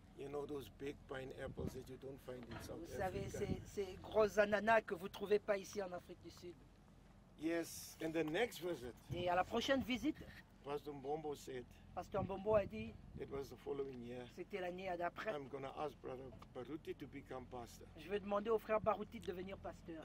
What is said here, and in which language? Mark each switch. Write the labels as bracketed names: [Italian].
[English] You know those big pineapples that you don't find in South [French] vous [English] Africa. [French] Vous savez ces grosses ananas que vous trouvez pas ici en Afrique du Sud. [English] Yes, and the next visit. [French] Et à la prochaine visite. [English] Pastor Mbombo said. [French] Pastor Mbombo a dit. [English] It was the following year. [French] C'était l'année d'après. [English] I'm going to ask Brother Baruti to become pastor. [French] Je vais demander au frère Baruti de devenir pasteur.